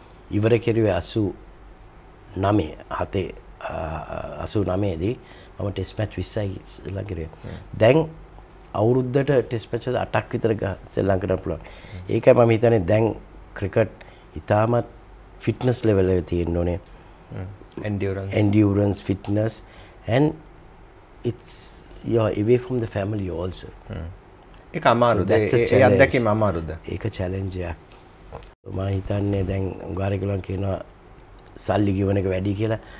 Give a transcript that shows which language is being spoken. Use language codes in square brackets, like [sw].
[si] ඉවර කෙරුවේ 89දී මම ටෙස්ට් මැච් 20යි ඉස්සෙල්ලා කෙරුවේ. දැන් අවුරුද්දට ටෙස්ට් මැච් 8ක් විතර ගහලා කරන්න පුළුවන්. ඒකයි මම හිතන්නේ දැන් ක්‍රිකට් ඉතාමත් ෆිට්නස් ලෙවල් එක තියෙන්න ඕනේ. [en] Endurance, fitness, and it's you're away from the family also. [si] ඒක අමාරුද? ඒ අත්දැකීම අමාරුද? ඒක challenge එකක්. මම හිතන්නේ දැන් උගාරිකලන් කියනවා සල්ලි ගිවන එක වැඩි කියලා.